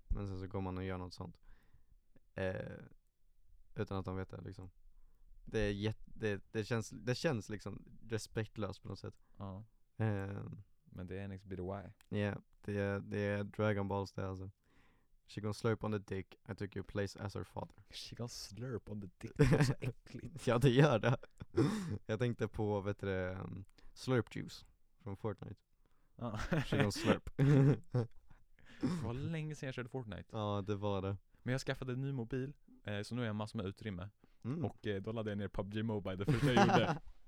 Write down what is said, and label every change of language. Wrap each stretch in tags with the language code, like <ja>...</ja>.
<sv>Men sen så går man och gör något sånt utan att de vet det liksom. Det är det känns liksom respektlöst på något sätt. Ja. Men det är en bit why. Ja, det är Dragon Balls där alltså.</sv> <en>She gonna slurp on the dick, I took your place as her father. She gonna slurp on the dick,</en> <sv>det är så äckligt. Ja, det gör det. Jag tänkte på, vet du, slurp juice. Från Fortnite. Ah. Kör någon slurp. Det var länge sedan jag körde Fortnite. Ja, det var det. Men jag skaffade en ny mobil. Så nu har jag massor med utrymme. Mm. Och då laddade jag ner PUBG Mobile. Det första jag gjorde.</sv>